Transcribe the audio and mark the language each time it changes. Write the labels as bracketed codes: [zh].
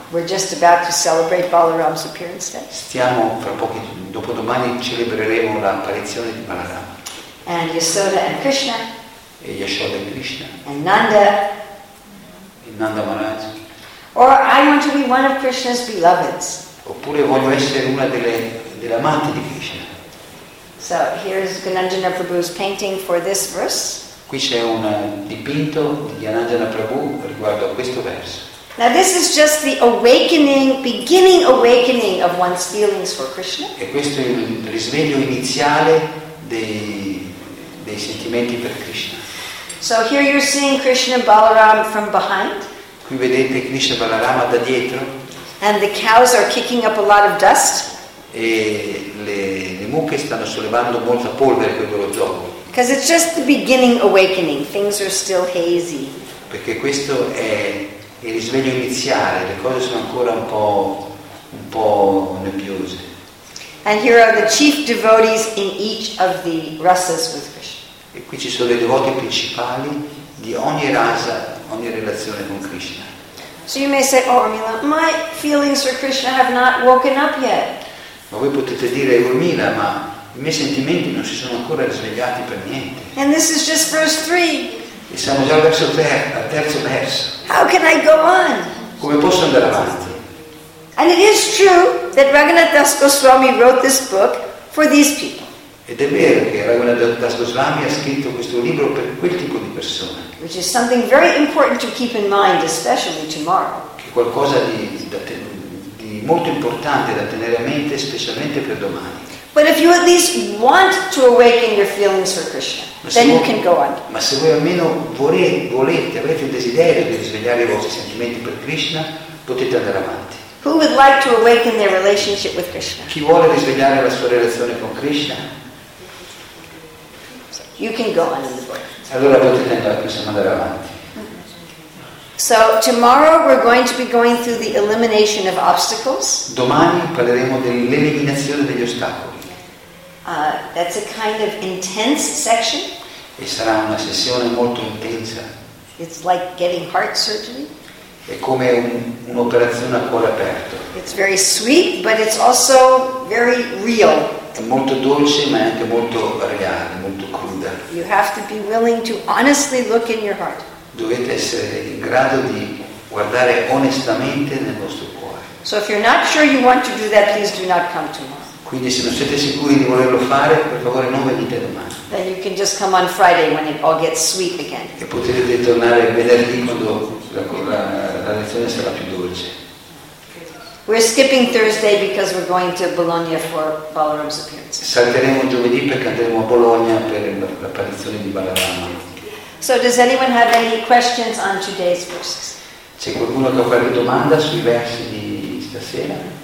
[en] We're just about to celebrate Balaram's appearance day. [it] Stiamo fra pochi, dopodomani celebreremo l'apparizione di Balaram. [en] And Yashoda and Krishna. [it] E Yashoda and Krishna. [en] And Nanda. [it] E Nanda Maharaj. [en] Or I want to be one of Krishna's beloveds. [it] Oppure voglio essere una delle amate di Krishna. [en] So here's Gananjana Prabhu's painting for this verse. [it] Qui c'è un dipinto di Gananjana Prabhu riguardo a questo verso. [en] Now this is just the awakening, beginning awakening of one's feelings for Krishna. [it] E questo è il risveglio iniziale dei sentimenti per Krishna. [en] So here you're seeing Krishna Balaram from behind. [it] Qui vedete Krishna Balarama da dietro. [en] And the cows are kicking up a lot of dust. [it] E le mucche stanno sollevando molta polvere con lo zoccolo. [en] Because it's just the beginning awakening. Things are still hazy. [it] Perché questo è il risveglio iniziale. Le cose sono ancora un po' nebbiose. [en] And here are the chief devotees in each of the rasas with Krishna. [it] E qui ci sono i devoti principali di ogni rasa, ogni relazione con Krishna. [en] So you may say, oh Urmila, my feelings for Krishna have not woken up yet. [it] Ma voi potete dire, Urmila, ma i miei sentimenti non si sono ancora risvegliati per niente. [en] And this is just verse 3. [it] E siamo già al terzo verso. [en] How can I go on? [it] Come posso andare avanti? [en] And it is true that Raghunath Das Goswami wrote this book for these people. [it] Ed è vero che Raghunath Das Goswami ha scritto questo libro per quel tipo di persone. [en] Which is something very important to keep in mind, especially tomorrow. [it] Che è qualcosa di molto importante da tenere a mente, specialmente per domani. [en] But if you at least want to awaken your feelings for Krishna, then you can go on. [it] Ma se voi almeno volete, avrete il desiderio di risvegliare i vostri sentimenti per Krishna, potete andare avanti. [en] Who would like to awaken their relationship with Krishna? [it] Chi vuole risvegliare la sua relazione con Krishna? [en] So, you can go on in the book. [it] Allora potete andare, possiamo andare avanti. [en] So tomorrow we're going to be going through the elimination of obstacles. [it] Domani parleremo dell'eliminazione degli ostacoli. [en] That's a kind of intense section. [it] E sarà una sessione molto intensa. [en] It's like getting heart surgery. [it] È come un'operazione a cuore aperto. [en] It's very sweet, but it's also very real. [it] È molto dolce, ma è anche molto reale, molto cruda. [en] You have to be willing to honestly look in your heart. [it] Dovete essere in grado di guardare onestamente nel vostro cuore. [en] So if you're not sure you want to do that, please do not come tomorrow. [it] Quindi se non siete sicuri di volerlo fare, per favore non venite domani. [en] Then you can just come on Friday when it all gets sweet again. [it] E potrete tornare venerdì quando la lezione sarà più dolce. [en] We're skipping Thursday because we're going to Bologna for Balaram's appearance. [it] Salteremo giovedì perché andremo a Bologna per l'apparizione di Balarama. [en] So does anyone have any questions on today's verses? [it] C'è qualcuno che ha qualche domanda sui versi di stasera?